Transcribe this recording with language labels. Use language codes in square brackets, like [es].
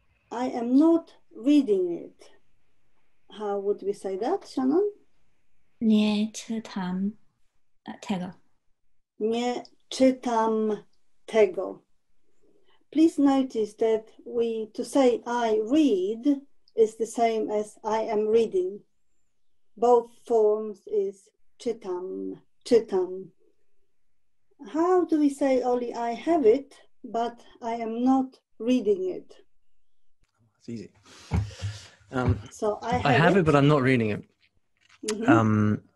[en] I am not reading it. How would we say that, Shannon? [pl] Nie tutam tego. Nie czytam tego. [en] Please notice that we to say I read is the same as I am reading. Both forms is czytam, czytam. How do we say, Olly, I have it, but I am not reading it? It's easy. So I have it, but I'm not reading it. Mm-hmm.